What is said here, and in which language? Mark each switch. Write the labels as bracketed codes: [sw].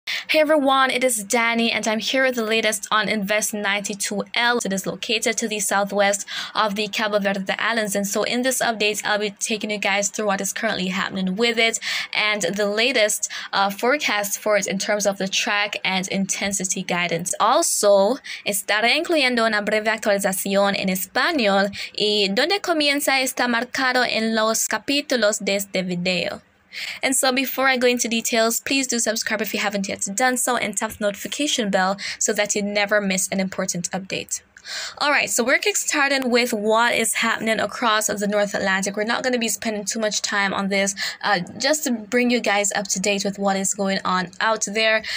[en] Hey everyone, it is Dani and I'm here with the latest on Invest 92L. It is located to the southwest of the Cabo Verde Islands, and so in this update I'll be taking you guys through what is currently happening with it and the latest forecast for it in terms of the track and intensity guidance. [es] Also, estaré incluyendo una breve actualización en español y donde comienza está marcado en los capítulos de este video. [en] And so before I go into details, please do subscribe if you haven't yet done so and tap the notification bell so that you never miss an important update. Alright, so we're kickstarting with what is happening across the North Atlantic. We're not going to be spending too much time on this, just to bring you guys up to date with what is going on out there.